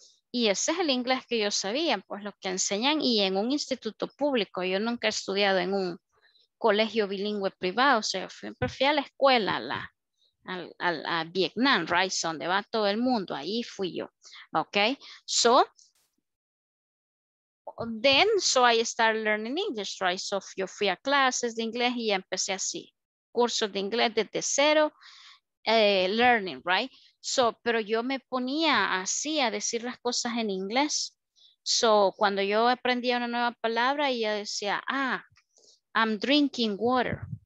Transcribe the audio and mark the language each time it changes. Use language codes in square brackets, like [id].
[es] Y ese es el inglés que yo sabía, pues lo que enseñan y en un instituto público. Yo nunca he estudiado en un colegio bilingüe privado. O sea, siempre fui a la escuela, a Vietnam, [en] right? [es] Donde va todo el mundo, ahí fui yo, ok. [en] So, then, so I started learning English, right? [es] So, yo fui a clases de inglés y empecé así. Cursos de inglés desde cero, [en] learning, right? [es] So, pero yo me ponía así a decir las cosas en inglés. So, cuando yo aprendía una nueva palabra, ella decía, ah, [en] I'm drinking water.